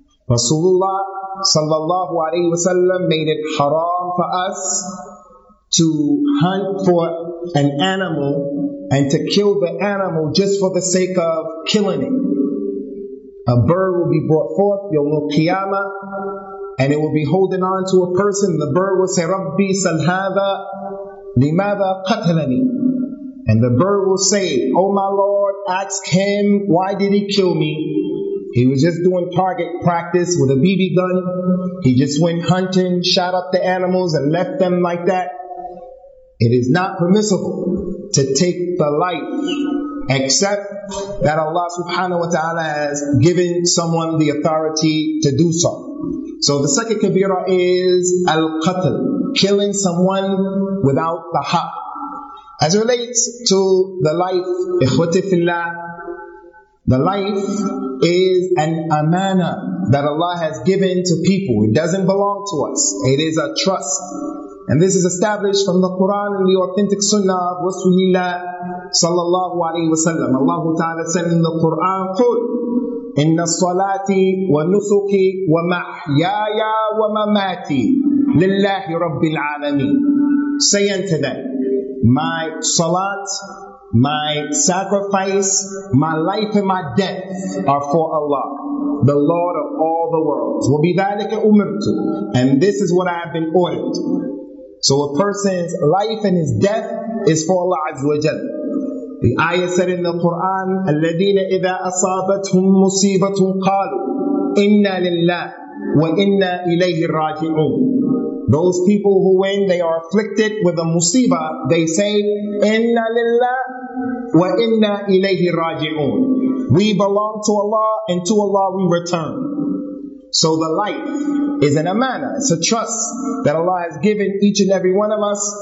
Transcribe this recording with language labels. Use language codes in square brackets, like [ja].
[en] Rasulullah sallallahu alayhi wa sallam made it haram for us to hunt for an animal and to kill the animal just for the sake of killing it. A bird will be brought forth, [ar] يوم القيامة, [en] and it will be holding on to a person. The bird will say, [ar] رَبِّي سَلْ هَذَا لِمَاذَا قَتَلَنِي. [en] And the bird will say, oh my Lord, ask him, why did he kill me? He was just doing target practice with a BB gun. He just went hunting, shot up the animals and left them like that. It is not permissible to take the life, except that Allah subhanahu wa ta'ala has given someone the authority to do so. So the second kabira is al-qatl, killing someone without the haq. As it relates to the life, ikhwati fillah, the life is an amana that Allah has given to people. It doesn't belong to us. It is a trust. And this is established from the Quran and the authentic sunnah of Rasulullah sallallahu alayhi wa sallam. Allah ta'ala said in the Quran, [ar] قُلْ إِنَّ الصَّلَاةِ وَالنُّسُكِ وَمَحْيَايَا وَمَمَاتِي لِلَّهِ رَبِّ الْعَالَمِينَ. [en] Say unto them, my salat, my sacrifice, my life and my death are for Allah, the Lord of all the worlds. [ar] وَبِذَلِكَ أُمِرْتُ. [en] And this is what I have been ordered. So a person's life and his death is for Allah Azza wa Jalla. The ayah said in the Quran, [ar] الَّذِينَ إِذَا أَصَابَتْهُمْ مُصِيبَةٌ قَالُوا إِنَّا لِلَّهِ وَإِنَّا إِلَيْهِ الرَّاجِعُونَ. [en] Those people who when they are afflicted with a musibah, they say, [ar] إِنَّا لِلَّهِ وَإِنَّا إِلَيْهِ رَاجِعُونَ. [en] We belong to Allah, and to Allah we return. So the life is an amana, it's a trust that Allah has given each and every one of us.